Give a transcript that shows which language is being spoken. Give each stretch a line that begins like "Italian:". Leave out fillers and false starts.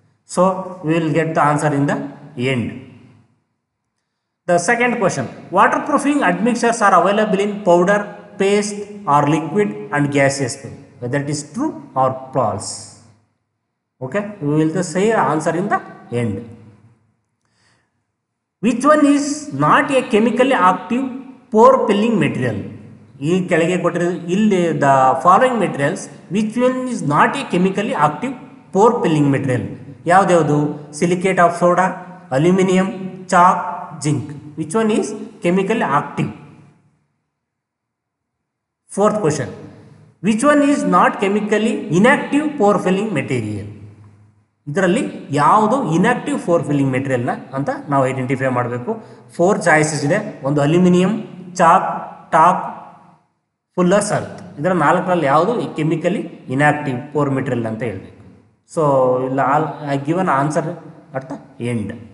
English: So we will get the answer in the end. The second question, water proofing admixtures are available in powder, paste or liquid and gases, whether it is true or false. Okay, we will the say answer in the end. Which one is not a chemically active pore filling material? The following materials, which one is not a chemically active pore filling material?
Kannada: Yavadu,
English: silicate of soda, aluminium, chalk, zinc. Which one is chemically active? Fourth question. Which one is not chemically inactive pore filling material?
Kannada: ಇದರಲ್ಲಿ ಯಾವುದು inactive four filling ಮೆಟೀರಿಯಲ್ನ ಅಂತ ನಾವು identify ಮಾಡಬೇಕು. Four choices ಇದೆ, ಒಂದು aluminium, chalk, talk, fuller ಸಲ್ತ್. ಇದರ ನಾಲ್ಕರಲ್ಲಿ ಯಾವುದು ಕೆಮಿಕಲಿ ಇನ್ಆಕ್ಟಿವ್ ಫೋರ್ ಮೆಟೀರಿಯಲ್ ಅಂತ ಹೇಳಬೇಕು.
English: so
Kannada: ಇಲ್ಲಿ
English: All given answer at the end.